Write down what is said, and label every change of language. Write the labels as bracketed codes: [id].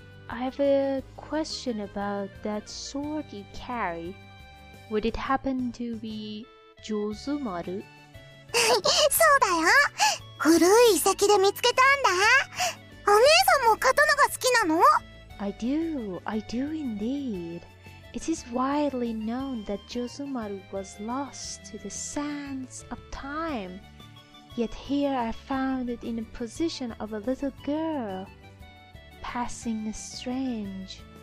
[en] I have a question about that sword you carry. Would it happen to be Jozumaru? [ja] そうだよ、古い遺跡で見つけたんだ。お姉さんも刀が好きなの？ [en] I do, I do indeed. It is widely known that Jozumaru was lost to the sands of time. Yet here I found it in the position of a little girl, passing a strange.